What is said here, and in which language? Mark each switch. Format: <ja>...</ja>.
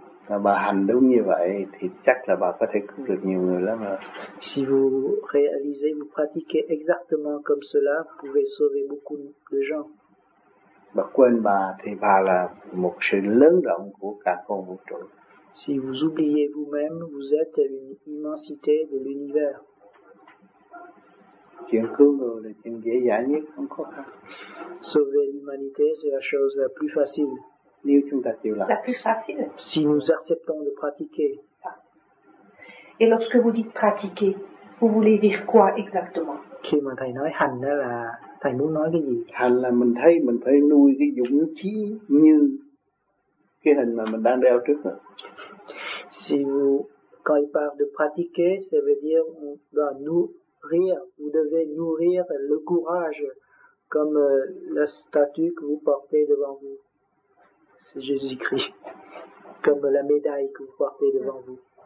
<vi>Là, bà hành đúng như vậy thì chắc là bà có thể cứu được nhiều người lắm rồi.</vi> <fr>Si vous réalisez, vous pratiquez exactement comme cela, vous pouvez sauver beaucoup de gens.</fr> <vi>Bà quên bà thì bà là một sự lớn rộng của cả con vũ trụ.</vi> <fr>Si vous oubliez vous-même, vous êtes une immensité de l'univers.</fr> <vi>Chuyện cứu người là chuyện dễ dàng nhất, không khó khăn.</vi> <fr>Sauver l'humanité, c'est la chose la plus facile.</fr> <vi>Nếu chúng ta chịu làm.</vi> <fr>La plus facile. Si nous acceptons de pratiquer. Et lorsque vous dites pratiquer, vous voulez dire quoi exactement?</fr> <vi>Khi mà thầy nói hành đó là thầy muốn nói cái gì? Hành là mình phải nuôi cái dũng khí như cái hình mà mình đang đeo trước đó.</vi> <fr>Si vous, quand il parle de pratiquer, ça veut dire on doit nourrir, vous devez nourrir le courage comme la statue que vous portez devant vous. C'est Jésus-Christ, comme la médaille que vous portez devant vous.</fr>